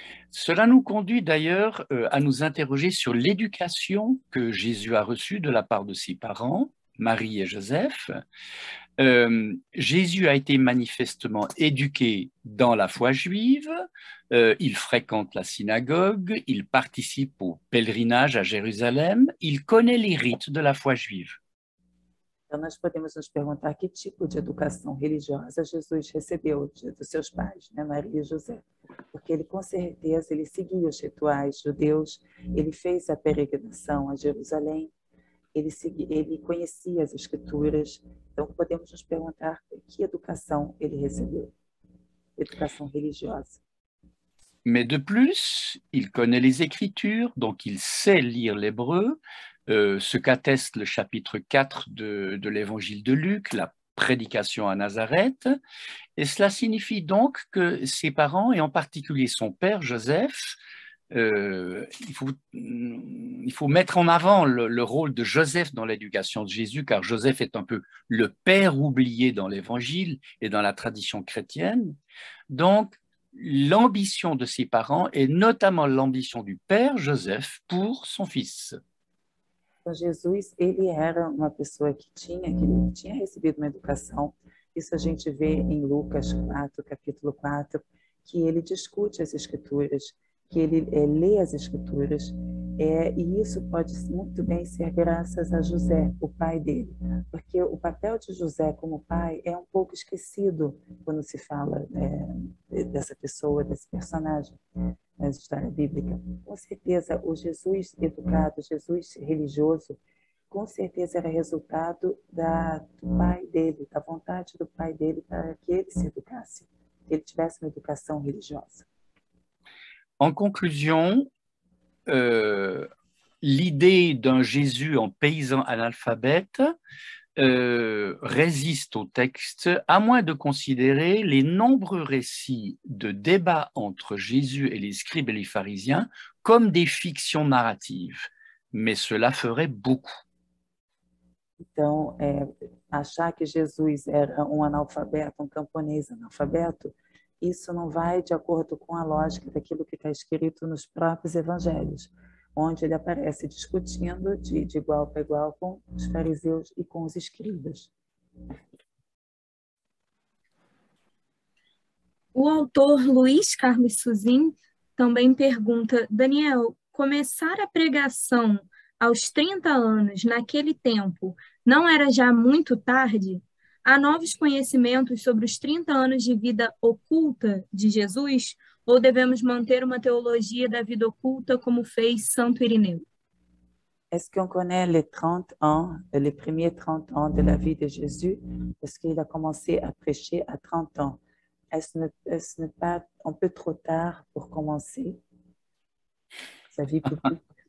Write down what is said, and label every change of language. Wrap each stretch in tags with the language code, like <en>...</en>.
<fr>Cela nous conduit d'ailleurs à nous interroger sur l'éducation que Jésus a reçue de la part de ses parents, Marie et Joseph. Jésus a été manifestement éduqué dans la foi juive, il fréquente la synagogue, il participe au pèlerinage à Jérusalem, il connaît les rites de la foi juive.</fr> <pt>Então, nós podemos nos perguntar que tipo de educação religiosa Jesus recebeu dos seus pais, né, Maria e José, porque ele com certeza ele seguia os rituais judeus, ele fez a peregrinação a Jerusalém, ele conhecia as escrituras. Então podemos nos perguntar que educação ele recebeu, educação religiosa.</pt> <fr>Mais de plus, il connaît les écritures, donc il sait lire l'hébreu. Ce qu'atteste le chapitre 4 de l'évangile de Luc, la prédication à Nazareth. Et cela signifie donc que ses parents, et en particulier son père Joseph, il faut mettre en avant le rôle de Joseph dans l'éducation de Jésus, car Joseph est un peu le père oublié dans l'évangile et dans la tradition chrétienne. Donc, l'ambition de ses parents est notamment l'ambition du père Joseph pour son fils.</fr> <pt>Jesus, ele era uma pessoa que tinha recebido uma educação Isso a gente vê em Lucas 4, capítulo 4, que ele discute as escrituras, que ele lê as escrituras, e isso pode muito bem ser graças a José, o pai dele, porque o papel de José como pai é um pouco esquecido quando se fala dessa pessoa, desse personagem na história bíblica. Com certeza, o Jesus educado, Jesus religioso, com certeza era resultado do pai dele, da vontade do pai dele para que ele se educasse, que ele tivesse uma educação religiosa.</pt> <fr>En conclusion, l'idée d'un Jésus en paysan analphabète résiste au texte, à moins de considérer les nombreux récits de débats entre Jésus et les scribes et les pharisiens comme des fictions narratives. Mais cela ferait beaucoup.</fr> <pt>Então, achar que Jesus era analfabeto, camponês analfabeto, isso não vai de acordo com a lógica daquilo que está escrito nos próprios evangelhos, onde ele aparece discutindo de igual para igual com os fariseus e com os escribas. O autor Luiz Carlos Suzin também pergunta: Daniel, começar a pregação aos 30 anos, naquele tempo, não era já muito tarde? Há novos conhecimentos sobre os 30 anos de vida oculta de Jesus? Ou devemos manter uma teologia da vida oculta como fez Santo Irineu?</pt> <fr>Est-ce qu'on connaît les 30 ans, les premiers 30 ans de la vie de Jésus? Est-ce qu'il a commencé à prêcher à 30 ans? Est-ce n'est pas un peu trop tard pour commencer sa vie publique?</fr>